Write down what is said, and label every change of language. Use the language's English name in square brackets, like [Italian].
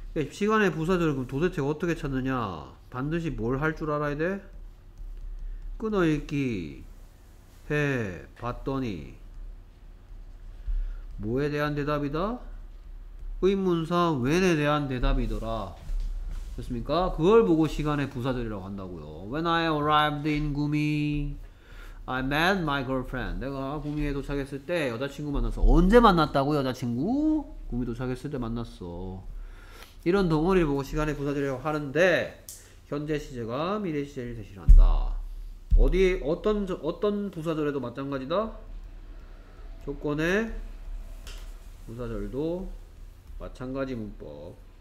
[Korean] 시간의 부사절을 그럼 도대체 어떻게 찾느냐. 반드시 뭘 할 줄 알아야 돼? 끊어읽기 해 봤더니 뭐에 대한 대답이다? 의문사 when에 대한 대답이더라. 됐습니까? 그걸 보고 시간의 부사절이라고 한다고요. [English] When I arrived in Gumi, I met my girlfriend. [Korean] 내가 구미에 도착했을 때 여자친구 만났어. 언제 만났다고 여자친구? 구미 도착했을 때 만났어. 이런 덩어리를 보고 시간의 부사절이라고 하는데 현재 시제가 미래 시제를 대신한다. 어디 어떤 부사절에도 마찬가지다. 조건에 부사절도 마찬가지 문법.